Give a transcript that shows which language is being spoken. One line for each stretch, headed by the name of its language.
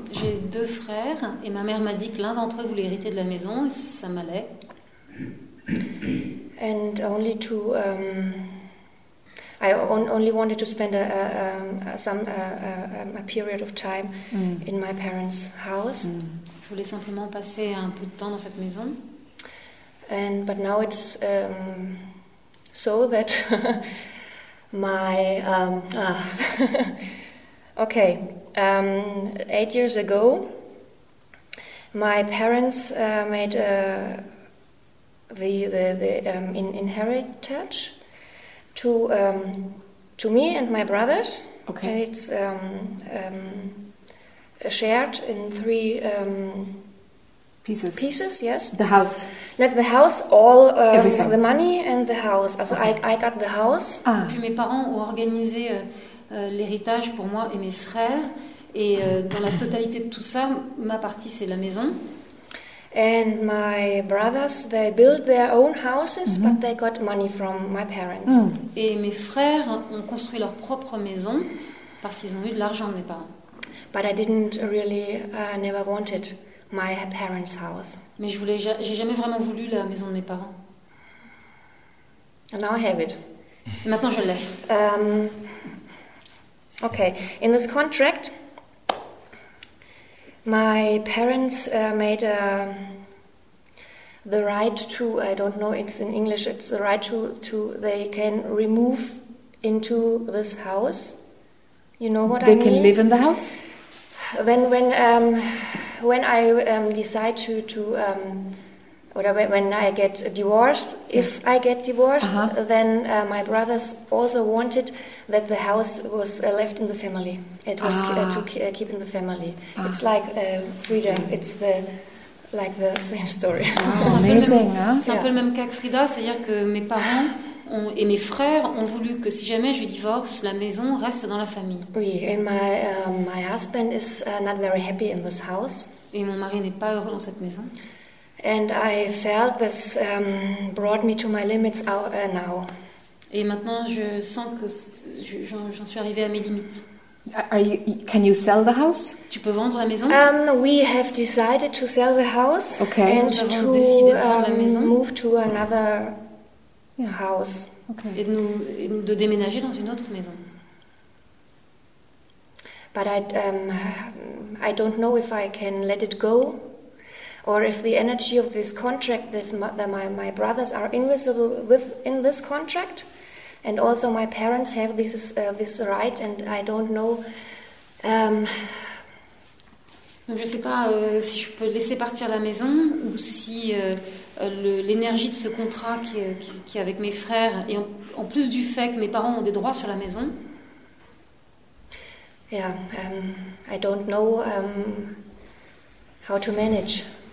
French: J'ai deux frères et ma mère m'a dit que l'un d'entre eux voulait hériter de la maison et ça m'allait.
English: And only to I only wanted to spend a period of time in my parents' house.
French: Je voulais simplement passer un peu de temps dans cette maison.
English: And but now it's so that my Okay, 8 years ago, my parents made the inheritance to me and my brothers. Okay. And it's shared in three pieces, yes. The house. Not the house, all everything. The money and the house. Also okay. I got the house. Ah.
French: Puis mes parents ont organisé l'héritage pour moi et mes frères, et dans la totalité de tout ça, ma partie c'est la maison.
English: And my brothers, they built their own houses, but they got money from my parents. Mm.
French: Et mes frères ont construit leur propre maison parce qu'ils ont eu de l'argent de mes parents.
English: But I didn't really, never wanted my parents' house.
French: Mais j'ai jamais vraiment voulu la maison de mes parents.
English: And now I have it.
French: Et maintenant je l'ai.
English: Okay, in this contract, my parents made the right to, I don't know, it's in English, it's the right to they can remove into this house. You know what they I mean? They can live in the house? When I decide when I get divorced, if I get divorced, then my brothers also wanted that the house was left in the family. It was keep in the family. Ah. It's like Frida. It's the same story. Wow, amazing, huh?
French: C'est un peu le même cas que Frida, c'est-à-dire que mes parents et mes frères ont voulu que si jamais je divorce, la maison reste dans la famille.
English: Oui, and my husband is not very happy in this house.
French: Et mon mari n'est pas heureux dans cette maison.
English: And I felt this brought me to my limits now.
French: Et maintenant, je sens que j'en suis arrivée à mes limites.
English: Can you sell the house?
French: Tu peux vendre la maison?
English: We have decided to sell the house. Okay.
French: And to décidé de faire la maison.
English: Move to another house. Okay.
French: Et de déménager dans une autre maison.
English: But I don't know if I can let it go. Or if the energy of this contract that my brothers are invisible within this contract, and also my parents have this right, and I don't know.
French: Donc je ne sais pas si je peux laisser partir la maison ou si l'énergie de ce contrat qui est avec mes frères et en plus du fait que mes parents ont des droits sur la maison.
English: Yeah, I don't know how to manage.